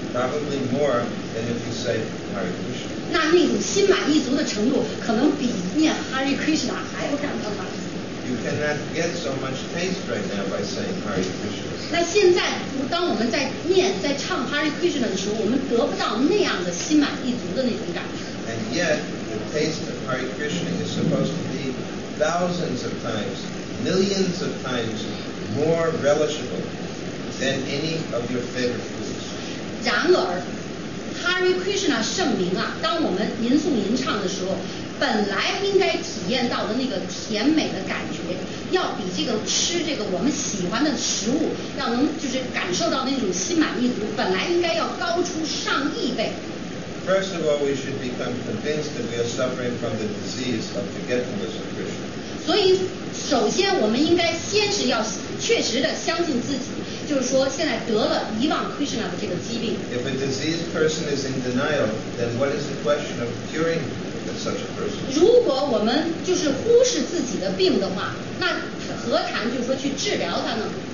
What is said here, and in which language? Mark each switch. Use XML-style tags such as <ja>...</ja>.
<en>Probably more than if you say Hare Krishna.</en> <zh>那那种心满意足的程度，可能比念 Hare Krishna 还要感到满足。</zh> <en>You cannot get so much taste right now by saying Hare Krishna.</en> <zh>那现在当我们在念在唱 Hare Krishna 的时候，我们得不到那样的心满意足的那种感觉。</zh> <en>And yet the taste of Hare Krishna is supposed to be thousands of times, millions of times more relishable than any of your favorite foods.</en> <zh>然而 Hare Krishna 圣名啊，当我们吟诵吟唱的时候，本来应该体验到的那个甜美的感觉，要比这个吃这个我们喜欢的食物，要能就是感受到那种心满意足，本来应该要高出上亿倍。</zh> <en>First of all, we should become convinced that we are suffering from the disease of forgetfulness of Krishna.</en> <zh>所以，首先我们应该先是要确实的相信自己，就是说现在得了遗忘 Krishna 的这个疾病。</zh> <en>If a diseased person is in denial, then what is the question of curing?</en> <zh>如果我们就是忽视自己的病的话，那何谈就是说去治疗它呢？</zh>